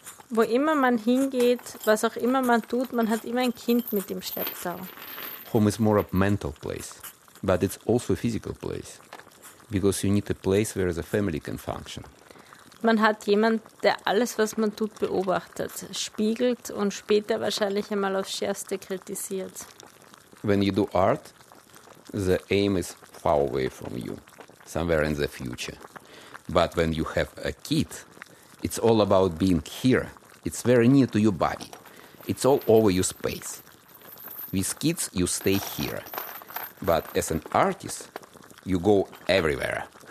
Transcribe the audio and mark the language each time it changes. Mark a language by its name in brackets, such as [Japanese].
[German] Wo immer man hingeht, was auch immer man tut, man hat immer ein Kind mit im Schlepptau. [English] Home is more a mental place, but it's also a physical place, because you need a place where the family can function. [German] Man hat jemanden, der alles, was man tut, beobachtet, spiegelt und später wahrscheinlich einmal aufs Schärfste kritisiert. [English] When you do art, the aim is far away from you, somewhere in the future. But when you have a kid, it's all about being here. It's very near to your body. It's all over your space. With kids, you stay here. But as an artist, you go everywhere.